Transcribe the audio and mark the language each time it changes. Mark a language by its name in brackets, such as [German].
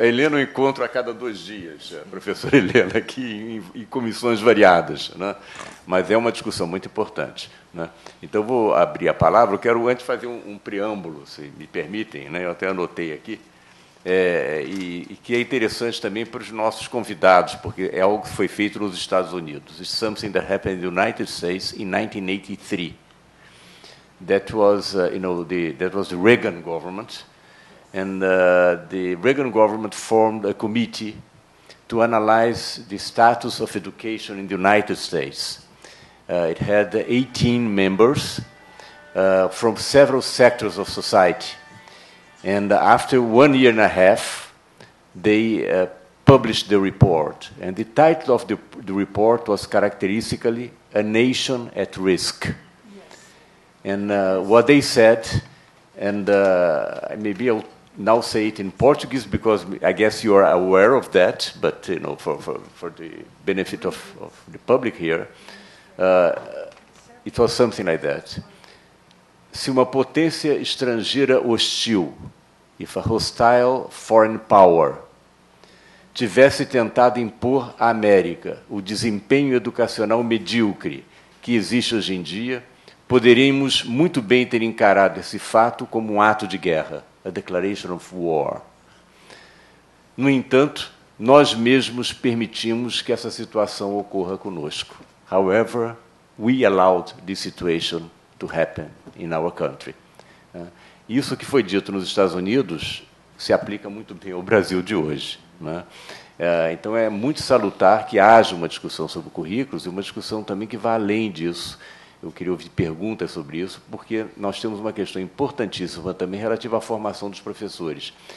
[Portuguese] A Helena eu encontro a cada dois dias, a professora Helena, aqui em comissões variadas. Né? Mas é uma discussão muito importante. Né? Então, vou abrir a palavra. Eu quero, antes, fazer um preâmbulo, se me permitem. Né? Eu até anotei aqui. E que é interessante também para os nossos convidados, porque é algo que foi feito nos Estados Unidos. [English] It's something that happened in the United States in 1983. That was, the Reagan government, and the Reagan government formed a committee to analyze the status of education in the United States. It had 18 members from several sectors of society, and after 1 year and a half, they published the report. And the title of the report was characteristically "A Nation at Risk." And what they said, and maybe I'll now say it in Portuguese, because I guess you are aware of that, but you know, for the benefit of the public here, it was something like that. [Portuguese] Se uma potência estrangeira hostil, [English] if a hostile foreign power, [Portuguese] tivesse tentado impor à América o desempenho educacional medíocre que existe hoje em dia, poderíamos muito bem ter encarado esse fato como um ato de guerra, [English] a declaration of war. [Portuguese] No entanto, nós mesmos permitimos que essa situação ocorra conosco. [English] However, we allowed this situation to happen in our country. [Portuguese] Isso que foi dito nos Estados Unidos se aplica muito bem ao Brasil de hoje. Então, é muito salutar que haja uma discussão sobre currículos e uma discussão também que vá além disso. Eu queria ouvir perguntas sobre isso, porque nós temos uma questão importantíssima também relativa à formação dos professores.